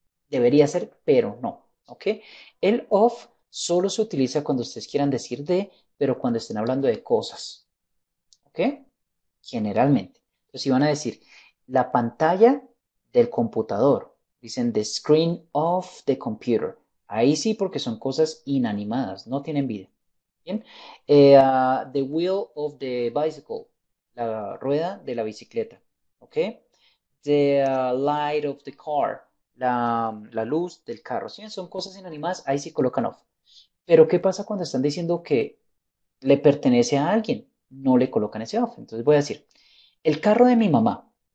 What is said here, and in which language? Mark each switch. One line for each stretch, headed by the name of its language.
Spanish: Debería ser, pero no, ¿ok? El of solo se utiliza cuando ustedes quieran decir de, pero cuando estén hablando de cosas, ¿ok? Generalmente. Entonces si van a decir la pantalla del computador. Dicen
English: the screen of the computer.
Spanish: Ahí sí, porque son cosas inanimadas, no tienen vida. Bien.
English: The wheel of the bicycle.
Spanish: La rueda de la bicicleta.
English: ¿Ok? The light of the car.
Spanish: La luz del carro. ¿Sí? Son cosas inanimadas, ahí sí colocan of. Pero ¿qué pasa cuando están diciendo que le pertenece a alguien? No le colocan ese of. Entonces voy a decir: el carro de mi mamá.